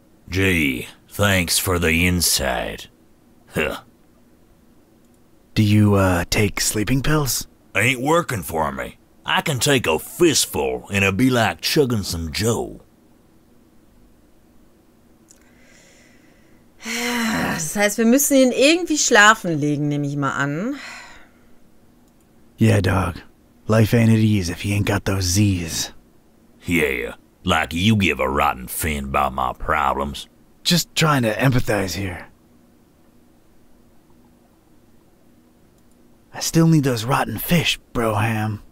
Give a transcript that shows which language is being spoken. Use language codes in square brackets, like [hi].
[en] Gee, thanks for the insight. Huh. Do you, take sleeping pills? Ain't working for me. I can take a fistful and it'll be like chugging some Joe. [de] heißt, wir müssen ihn irgendwie schlafen legen, nehme ich mal an. [en] Yeah, dog. Life ain't at ease if he ain't got those Z's. Yeah, like you give a rotten fin about my problems. Just trying to empathize here. I still need those rotten fish, Broham.